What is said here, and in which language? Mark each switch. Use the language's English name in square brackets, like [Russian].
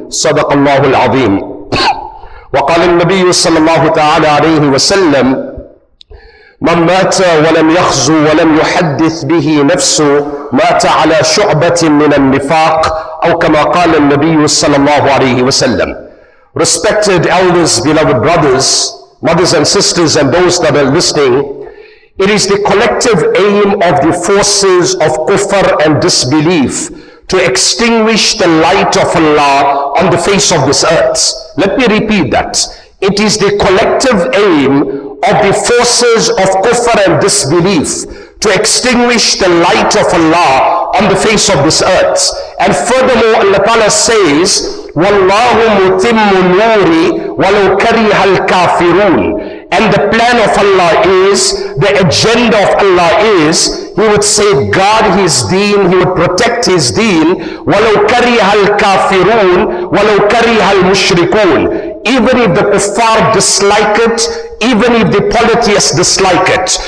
[Arabic] صدق الله العظيم. وقال النبي صلى الله تعالى عليه وسلم: من مات ولم يخزو ولم يحدث به نفسه مات على شعبة من النفاق، أو كما قال النبي صلى الله عليه وسلم. [English] Respected elders, beloved brothers, mothers and sisters, and those that are listening, it is the collective aim of the forces of kuffar and disbelief to extinguish the light of Allah on the face of this earth. Let me repeat that. It is the collective aim of the forces of kuffar and disbelief to extinguish the light of Allah on the face of this earth. And furthermore, Allah Ta'ala says, [Arabic] وَاللَّهُ مُتِمُّ نُورِ وَلَوْ كَرِهَ الْكَافِرُونَ. [English] And the plan of Allah is, the agenda of Allah is, He would say, guard His deen, He would protect His deen. [Arabic] وَلَوْ كَرِهَ الْكَافِرُونَ وَلَوْ كَرِهَ الْمُشْرِكُونَ. [English] Even if the kuffar dislike it, even if the polytheists dislike it.